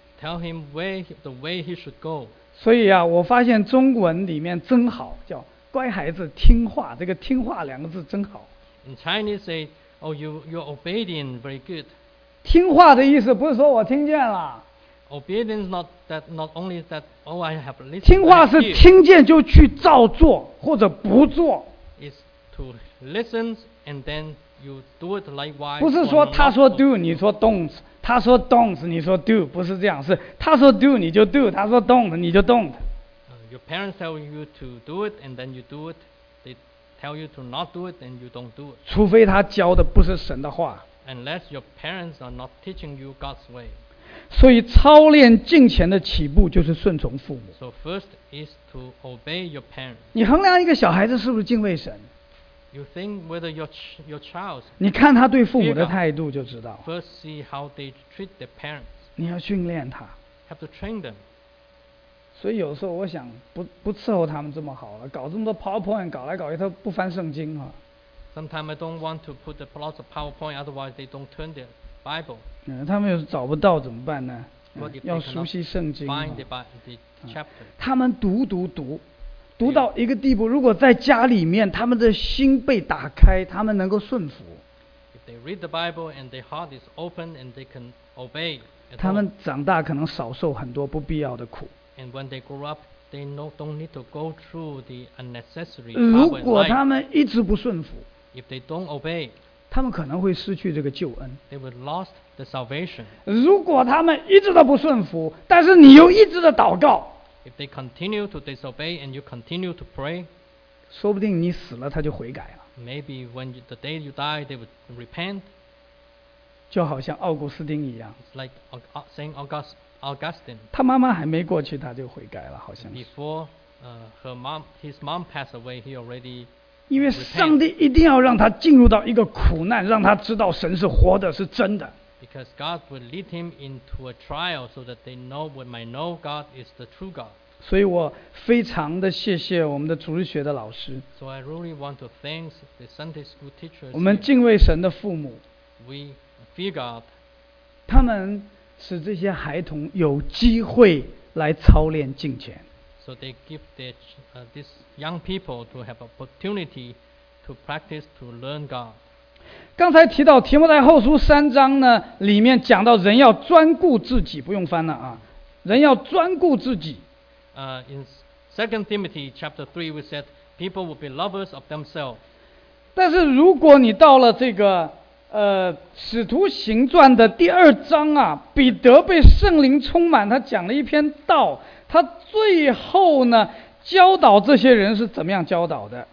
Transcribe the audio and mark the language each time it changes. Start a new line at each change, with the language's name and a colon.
English: Tell him where the way he should go.
Chinese: 所以啊，我发现中文里面真好，叫乖孩子听话，这个听话两个字真好。
English: In Chinese, say, "Oh, you're obedient, very good."
Chinese: 听话的意思不是说我听见了。
English: Obedience not that not only that oh I have listened.
Chinese: 听话是听见就去照做或者不做。
English: Is to listen and then you do it likewise.
Chinese: 不是说他说 do 你说 don't， 他说 don't 你说 do， 不是这样，是他说 do 你就 do， 他说 don't 你就 don't。
English: Your parents tell you to do it and then you do it. They tell you to not do it and you don't do it.
Chinese: 除非他教的不是神的话。
English: Unless your parents are not teaching you God's way.
Chinese: 所以操练敬虔的起步就是顺从父母。
English: So first is to obey your parents.
Chinese: 你衡量一个小孩子是不是敬畏神。
English: You think whether your child.
Chinese: 你看他对父母的态度就知道。
English: First see how they treat their parents.
Chinese: 你要训练他。
English: Have to train them.
Chinese: 所以有时候我想不伺候他们这么好了，搞这么多 PowerPoint， 搞来搞去他不翻圣经啊。
English: Sometimes I don't want to put the lots of PowerPoint, otherwise they don't turn their Bible.
Chinese: 他们又找不到怎么办呢？要熟悉圣经。
English: Find the chapter.
Chinese: 他们读到一个地步，如果在家里面，他们的心被打开，他们能够顺服。
English: If they read the Bible and their heart is open and they can obey.
Chinese: 他们长大可能少受很多不必要的苦。
English: And when they grow up. They don't need to go through the unnecessary.
Chinese: 如果他们一直不顺服，
English: if they don't obey,
Chinese: 他们可能会失去这个救恩。
English: They will lost the salvation.
Chinese: 如果他们一直都不顺服，但是你又一直的祷告，
English: if they continue to disobey and you continue to pray,
Chinese: 说不定你死了他就悔改了。
English: Maybe when the day you die, they would repent.
Chinese: 就好像奥古斯丁一样。
English: It's like Saint Augustine. Augustine,
Chinese: 他妈妈还没过去，他就悔改了，好像是。
English: Before, her mom, his mom passed away, he already.
Chinese: 因为上帝一定要让他进入到一个苦难，让他知道神是活的，是真的。
English: Because God will lead him into a trial so that they know we might know God is the true God.
Chinese: 所以我非常的谢谢我们的主日学的老师。
English: So I really want to thank the Sunday school teachers.
Chinese: 我们敬畏神的父母。
English: We fear God.
Chinese: 他们。使这些孩童有机会来操练敬虔。
English: So they give these young people to have opportunity to practice to learn God.
Chinese: 刚才提到提摩太后书三章呢，里面讲到人要专顾自己，不用翻了啊，人要专顾自己。
English: In 2 Timothy chapter 3 we said people will be lovers of themselves.
Chinese: 但是如果你到了这个使徒行传的第二章啊，彼得被圣灵充满，他讲了一篇道，他最后呢教导这些人是怎么样教导的。